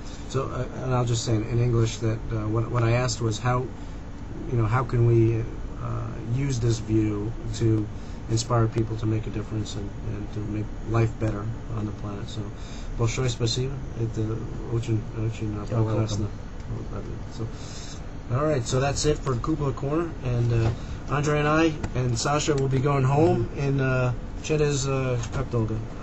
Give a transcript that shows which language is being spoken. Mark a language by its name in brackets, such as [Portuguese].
[English] So and I'll just say in English that what I asked was how can we use this view to inspire people to make a difference and to make life better on the planet. [Russian] So большое спасибо, это очень прекрасно. [English] So all right, so that's it for Cupola Corner, and Andrey and I and Sasha will be going home in [Russian] через как долго?